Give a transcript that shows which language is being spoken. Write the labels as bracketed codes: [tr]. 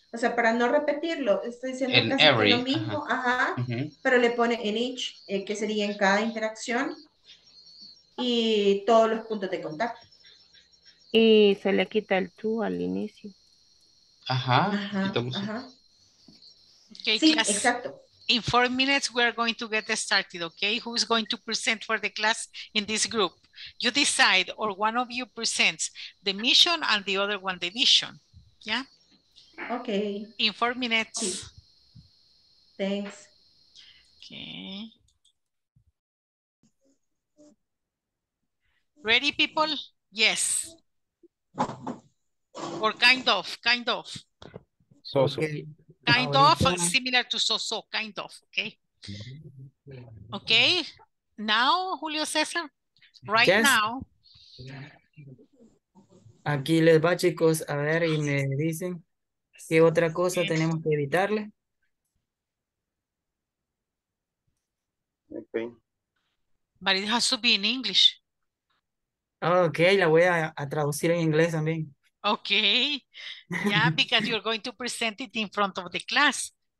[es] O sea, para no repetirlo. Estoy diciendo in casi every, lo mismo. Uh-huh. Ajá. Mm-hmm. Pero le pone [en] in each, [es] que sería en cada interacción. Y todos los puntos de contacto. Y se le quita el tú al inicio. Ajá. Ajá. [en] Okay, [es] sí, [en] class. [es] Exacto. [en] In 4 minutes, we're going to get started, okay? Who's going to present for the class in this group? You decide, or one of you presents the mission and the other one the vision, yeah? Okay. In 4 minutes. Okay. Thanks. Okay. Ready, people? Yes. Or kind of. So, so. Okay. Kind of similar to so-so, kind of, okay. Okay, now Julio César, right yes. Now. [es] Aquí les va, chicos, a ver y me dicen qué otra cosa okay. Tenemos que evitarle. [en] Okay. But it has to be in English. [es] Okay, la voy a traducir en inglés también. [en] Okay, yeah, because you're going to present it in front of the class.